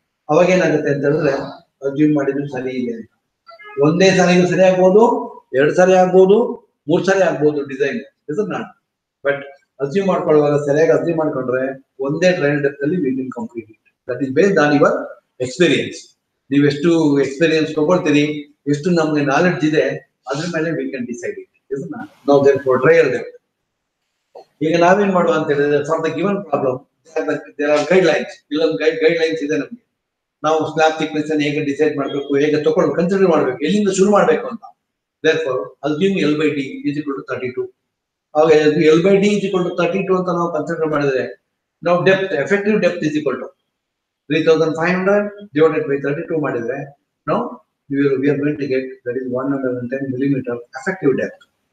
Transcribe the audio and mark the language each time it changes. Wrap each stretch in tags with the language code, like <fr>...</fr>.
<kn>ಅವಾಗ ಏನಾಗುತ್ತೆ ಅಂತಂದ್ರೆ, ಅಸ್ಯೂಮ್ ಮಾಡಿದ್ರು ಸರಿ ಇದೆ ಅಂತ. ಒಂದೇ ಸಲಿಗೂ ಸರಿ ಆಗ್ಬೋದು, ಎರಡು ಸಲ ಆಗ್ಬೋದು, ಮೂರು ಸಲ ಆಗ್ಬೋದು ಡಿಸೈನ್, ಇದನ್ನ ಬಟ್ ಅಸ್ಯೂಮ್ ಮಾಡ್ಕೊಳ್ಳುವಾಗ ಸರಿಯಾಗಿ ಅಸ್ಯೂಮ್ ಮಾಡ್ಕೊಂಡ್ರೆ ಒಂದೇ train ಡೆಪ್ತಲ್ಲಿ</kn> <en>We will complete it. That is based on your experience.</en> <kn>ನೀವೆಷ್ಟು ಎಕ್ಸ್ಪೀರಿಯನ್ಸ್ ತಗೊಳ್ತೀರಿ, ಎಷ್ಟು ನಮ್ಗೆ ನಾಲೆಡ್ಜ್ ಇದೆ, ಅದ್ರ ಮೇಲೆ</kn> <en>we can decide it,</en> <kn>ಇದನ್ನ ನಾವು ಟ್ರೈ ಇರ್ಬೇಕು. ಈಗ ನಾವೇನ್ ಮಾಡುವ ಅಂತ ಹೇಳಿದ್ರೆ,</kn> <en>for the given problem there are guidelines,</en> <kn>ಇಲ್ಲೊಂದು guidelines ಇದೆ ನಮಗೆ. ನಾವು ಸ್ಲ್ಯಾಬ್ ಥಿಕ್ನೆಸ್ ಅನ್ನು ಹೇಗೆ ಡಿಸೈಡ್ ಮಾಡಬೇಕು, ಹೇಗೆ ತಗೊಂಡು ಕನ್ಸಿಡರ್ ಮಾಡಬೇಕು, ಎಲ್ಲಿಂದ ಶುರು ಮಾಡಬೇಕು ಅಂತ.</kn> <en>Therefore assume L by D is equal to 32.</en> <kn>ಅವಾಗ</kn> <en>L by D is equal to 32</en> <kn>ಅಂತ ನಾವು ಕನ್ಸಿಡರ್ ಮಾಡಿದ್ರೆ, ನಾವು</kn> <en>depth effective depth is equal to 3500 divided by 32</en> <kn>ಮಾಡಿದ್ರೆ, ನಾವು</kn> <en>We're going to get that is 110 millimetre effective depth.</en>